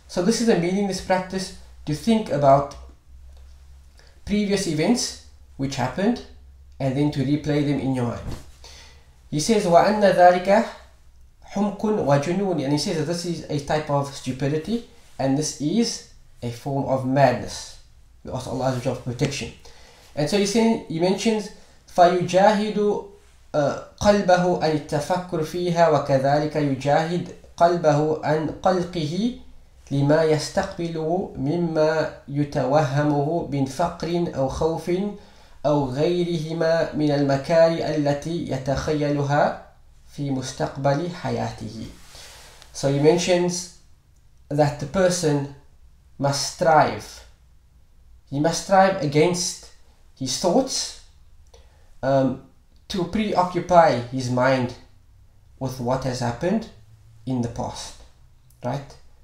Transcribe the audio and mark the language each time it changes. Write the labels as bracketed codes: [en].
[en] So this is a meaningless practice, to think about previous events which happened and then to replay them in your mind. He says, [ar] وَأَنَّ ذَلِكَ حُمْقٌ وَجُنُونِ, [en] and he says that this is a type of stupidity and this is a form of madness. We ask Allah for protection. [ar] And so he mentions, فَيُجَاهِدُ قَلْبَهُ أَنِ التَّفَكُّرُ فِيهَا وَكَذَلِكَ يُجَاهِدْ قَلْبَهُ أَنْ قَلْقِهِ لِمَا يَسْتَقْبِلُهُ مِمَّا يُتَوَهَّمُهُ مِنْ فَقْرٍ أَوْ خَوْفٍ أَوْ غَيْرِهِمَا مِنَ الْمَكَارِ الَّتِي يَتَخَيَّلُهَا فِي مُسْتَقْبَلِ حَيَاتِهِ. [en] So he mentions that the person must strive. He must strive against his thoughts to preoccupy his mind with what has happened in the past. Right?